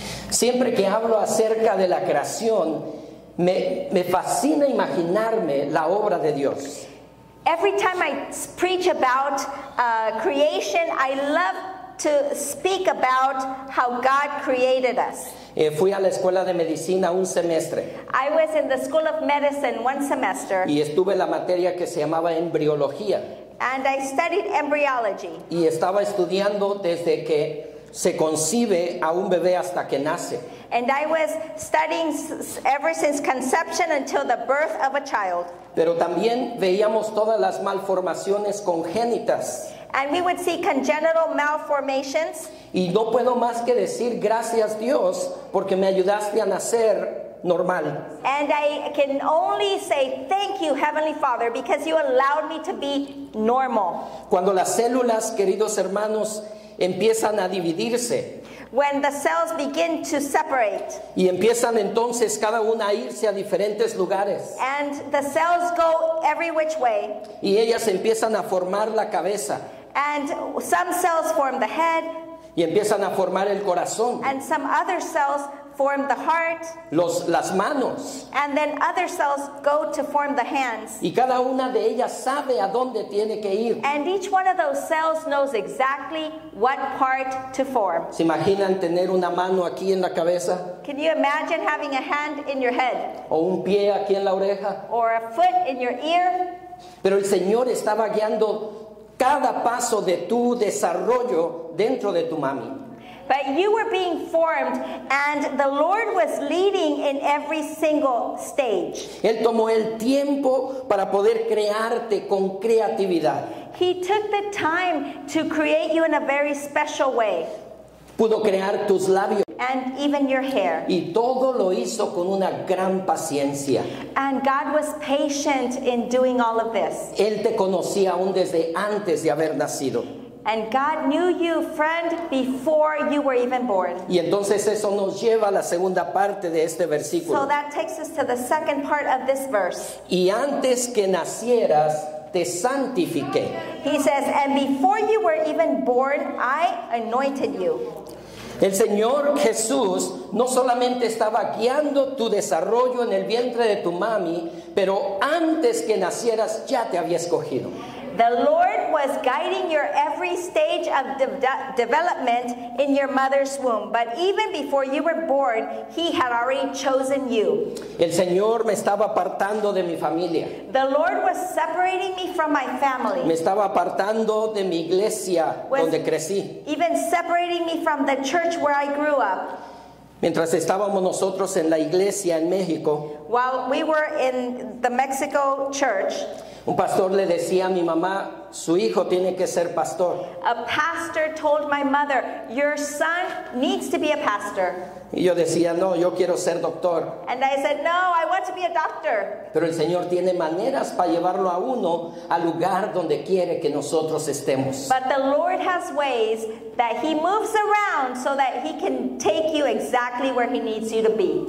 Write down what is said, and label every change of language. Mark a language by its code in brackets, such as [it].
[es] Siempre que hablo acerca de la creación, me fascina imaginarme la obra de Dios. [en] Every time I preach about creation, I love to speak about how God created us. [es] Fui a la escuela de medicina un semestre. [en] I was in the school of medicine one semester. [es] Y estuve la materia que se llamaba embriología. [en] And I studied embryology. [es] Y estaba estudiando desde que se concibe a un bebé hasta que nace. [en] And I was studying ever since conception until the birth of a child. [es] Pero también veíamos todas las malformaciones congénitas. [en] And we would see congenital malformations. [es] Y no puedo más que decir gracias Dios porque me ayudaste a nacer normal. [en] And I can only say thank you, Heavenly Father, because you allowed me to be normal. [es] Cuando las células, queridos hermanos, empiezan a dividirse. [en] When the cells begin to separate. [es] Y empiezan entonces cada una a irse a diferentes lugares. [en] And the cells go every which way. [es] Y ellas empiezan a formar la cabeza. [en] And some cells form the head. [es] Y empiezan a formar el corazón. [en] And some other cells form the heart. [es] Las manos. [en] And then other cells go to form the hands. [es] Y cada una de ellas sabe a dónde tiene que ir. [en] And each one of those cells knows exactly what part to form. [es] ¿Se imaginan tener una mano aquí en la cabeza? [en] Can you imagine having a hand in your head? [es] ¿O un pie aquí en la oreja? [en] Or a foot in your ear? [es] Pero el Señor estaba guiando cada paso de tu desarrollo dentro de tu mami. [en] But you were being formed and the Lord was leading in every single stage. [es] Él tomó el tiempo para poder crearte con creatividad. [en] He took the time to create you in a very special way. [es] Pudo crear tus labios. [en] And even your hair. [es] Y todo lo hizo con una gran paciencia. [en] And God was patient in doing all of this. [es] Él te conocía aún desde antes de haber nacido. [en] And God knew you, friend, before you were even born. [es] Y entonces eso nos lleva a la segunda parte de este versículo. [en] So that takes us to the second part of this verse. [es] Y antes que nacieras, te santifiqué. [en] He says, and before you were even born, I anointed you. [es] El Señor Jesús no solamente estaba guiando tu desarrollo en el vientre de tu mami, pero antes que nacieras ya te había escogido. [en] The Lord was guiding your every stage of development in your mother's womb. But even before you were born, He had already chosen you. [es] El Señor me estaba apartando de mi familia. [en] The Lord was separating me from my family. [es] Me estaba apartando de mi iglesia donde crecí. [en] Even separating me from the church where I grew up. [es] Mientras estábamos nosotros en la iglesia en México, [en] while we were in the Mexico church, [es] un pastor le decía a mi mamá, su hijo tiene que ser pastor. [en] A pastor told my mother, your son needs to be a pastor. [es] Y yo decía, no, yo quiero ser doctor. [en] And I said, no, I want to be a doctor. [es] Pero el Señor tiene maneras para llevarlo a uno al lugar donde quiere que nosotros estemos. [en] But the Lord has ways that He moves around so that He can take you exactly where He needs you to be.